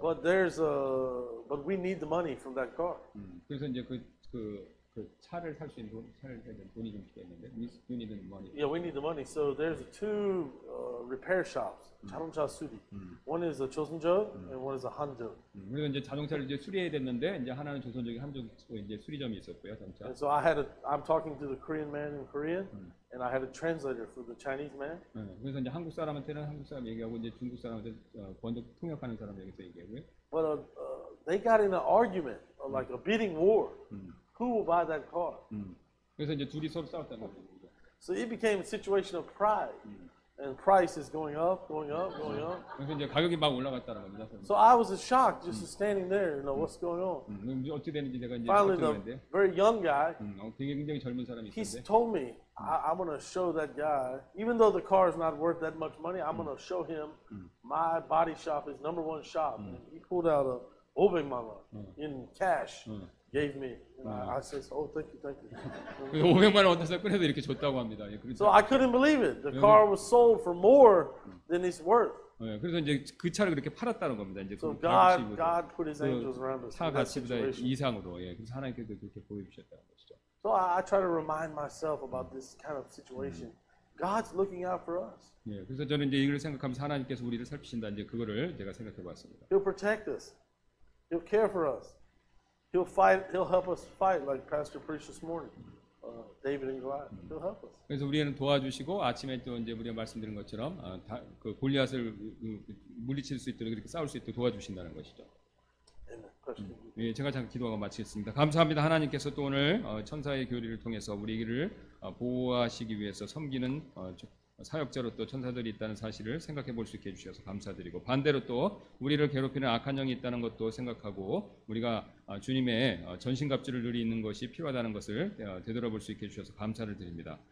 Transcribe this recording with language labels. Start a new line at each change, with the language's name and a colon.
English: But we need the money from that car.
Korean: 그래서 이제 그 차를 살 수 있는 돈, 차를 살 때 돈이 좀 필요했는데,
English: you need the money. Yeah, we need the money. So there's two repair shops,
Korean: 자동차 수리.
English: One is a Joseonjo and one is a Hanjo.
Korean: 그래서 이제 자동차를 이제 수리해야 됐는데, 이제 하나는 조선족이 한족 이제 수리점이 있었고요, 자동차.
English: And so I had I'm talking to the Korean man in Korean, and I had a translator for the Chinese man.
Korean: 그래서 이제 한국 사람한테는 한국 사람 얘기하고 이제 중국 사람한테 번역 통역하는 사람 여기서 얘기하고요.
English: But they got in an argument, like a bidding war. Who will buy that car?
Korean: 그래서 이제 둘이 서로 싸웠다는 거죠.
English: So it became a situation of pride, and price is going up, going up, going up.
Korean: 그래서 이제 가격이 막 올라갔다는 겁니다.
English: So I was shocked, just standing there, you know, what's going on?
Korean: 어찌 되는지 내가 이제
English: finally, the very young guy.
Korean: 굉장히 젊은 사람이.
English: He told me, I'm gonna show that guy, even though the car is not worth that much money, I'm gonna show him my body shop is number one shop. And he pulled out a
Korean: 500만 원
English: in cash. Gave me. And I said, "Oh, thank you."
Korean: 500만 원 어디서 꺼내서 이렇게 줬다고 합니다.
English: So I couldn't believe it. The car was sold for more than it's worth.
Korean: 그래서 이제 그 차를 그렇게 팔았다는 겁니다. 이제
English: So God put His angels around us.
Korean: 차 가치보다 이상으로, 예, 그래서 하나님께서 그렇게 보여주셨다는 것이죠.
English: So I try to remind myself about this kind of situation. God's looking out for us.
Korean: 예, 그래서 저는 이제 이걸 생각하면서 하나님께서 우리를 살피신다. 이제 그거를 제가 생각해 봤습니다.
English: He'll protect us. He'll care for us. He'll fight. He'll help us fight, like Pastor preached this morning, David and Goliath. He'll help us.
Korean: 그래서 우리는 도와주시고 아침에 또 이제 우리가 말씀드린 것처럼 그 골리앗을 물리칠 수 있도록 이렇게 싸울 수 있도록 도와주신다는 것이죠. 예, 제가 잠깐 기도하고 마치겠습니다. 감사합니다. 하나님께서 또 오늘 천사의 교리를 통해서 우리를 보호하시기 위해서 섬기는 사역자로 또 천사들이 있다는 사실을 생각해 볼 수 있게 해주셔서 감사드리고 반대로 또 우리를 괴롭히는 악한 영이 있다는 것도 생각하고 우리가 주님의 전신갑주를 누리는 것이 필요하다는 것을 되돌아볼 수 있게 해주셔서 감사를 드립니다.